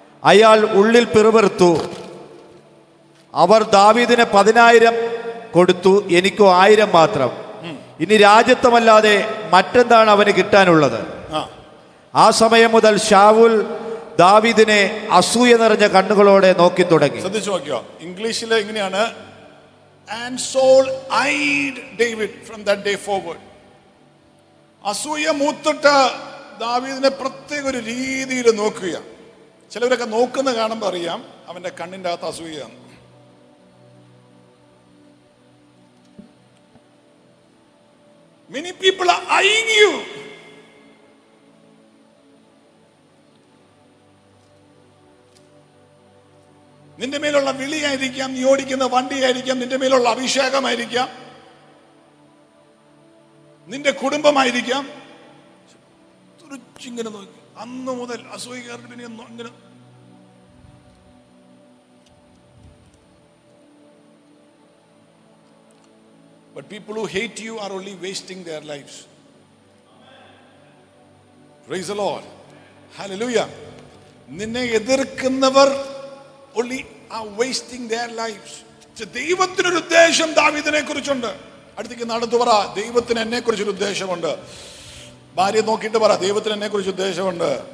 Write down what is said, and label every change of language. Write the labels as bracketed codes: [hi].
[ml] അയാൾ ഉള്ളിൽ പിറുപിറുത്തു. അവർ ദാവീദിന് 10,000 കൊടുത്തു, എനിക്കോ 1,000 മാത്രം. ഇനി രാജ്യത്വമല്ലാതെ മറ്റെന്താണ് അവന് കിട്ടാനുള്ളത്? ആ സമയം മുതൽ ശൗൽ ദാവീദിനെ അസൂയ നിറഞ്ഞ കണ്ണുകളോടെ നോക്കി തുടങ്ങി. ശ്രദ്ധിച്ചു നോക്കിയോ, ഇംഗ്ലീഷിലെ എങ്ങനെയാണ്? [en] And Saul eyed David from that day forward. [ml] അസൂയ മൂത്തിട്ട് ദാവീദിനെ പ്രത്യേക ഒരു രീതിയിൽ നോക്കുക. ചിലവരൊക്കെ നോക്കുന്ന കാണുമ്പോൾ അറിയാം അവന്റെ കണ്ണിൻ്റെ അകത്ത് അസൂയാണ്. [en] Many people are eyeing you. [ml] നിന്റെ മേലുള്ള വിളിയായിരിക്കാം, നീ ഓടിക്കുന്ന വണ്ടിയായിരിക്കാം, നിന്റെ മേലുള്ള അഭിഷേകമായിരിക്കാം, നിന്റെ കുടുംബമായിരിക്കാം. തുറിച്ചിങ്ങനെ നോക്കി. അന്ന് മുതൽ അസൂയ കയറി പിന്നെ അങ്ങനെ. [en] But people who hate you are only wasting their lives. Praise the Lord. Hallelujah. [ml] നിന്നെ എതിർക്കുന്നവർ [en] only are wasting their lives. [ml] ദൈവത്തിനൊരു ഉദ്ദേശം ദാവീദിനെ കുറിച്ചുണ്ട്. അടുത്തേക്ക് നടന്നു പറ. ദൈവത്തിന് എന്നെ കുറിച്ചൊരു ഉദ്ദേശമുണ്ട്. ഭാര്യയെ നോക്കിയിട്ട് പറ, ദൈവത്തിന് എന്നെ കുറിച്ച് ഉദ്ദേശമുണ്ട്.